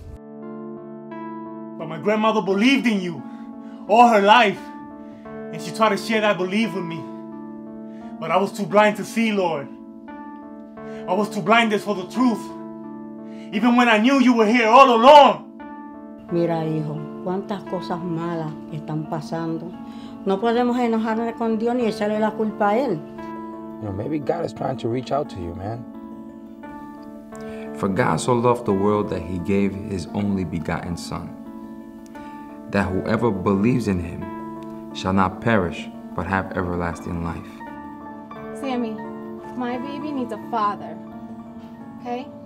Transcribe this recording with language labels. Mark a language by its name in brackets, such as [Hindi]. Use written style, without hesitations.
[English] But my grandmother believed in you all her life. And she tried to share that belief with me. But I was too blind to see, Lord. I was too blinded for the truth. Even when I knew you were here all along. [Spanish] Mira, hijo, cuántas cosas malas están pasando. No podemos enojarnos con Dios ni echarle la culpa a él. [English] You know, maybe God is trying to reach out to you, man. For God so loved the world that he gave his only begotten son, that whoever believes in him shall not perish, but have everlasting life. Sammy, my baby needs a father, okay?